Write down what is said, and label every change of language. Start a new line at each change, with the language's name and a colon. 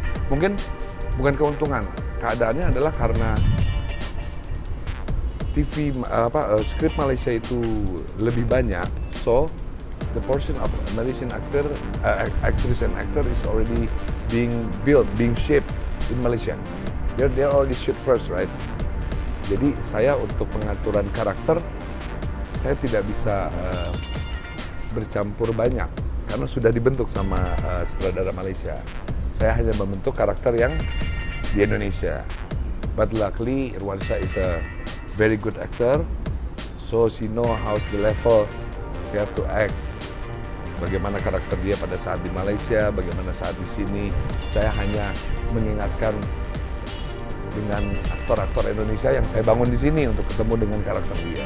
Indonesian: Mungkin bukan keuntungan, keadaannya adalah karena TV apa skrip Malaysia itu lebih banyak,
English: so the portion of Malaysian actor, actress and actor is already being built, being shaped in Malaysia. They already shoot first, right?
Indonesian: Jadi saya untuk pengaturan karakter, saya tidak bisa bercampur banyak, karena sudah dibentuk sama sutradara Malaysia. Saya hanya membentuk karakter yang di Indonesia.
English: But luckily, Irwansyah is a very good actor, so she know how's the level she have to act.
Indonesian: Bagaimana karakter dia pada saat di Malaysia, bagaimana saat di sini. Saya hanya mengingatkan dengan aktor-aktor Indonesia yang saya bangun di sini untuk ketemu dengan karakter dia.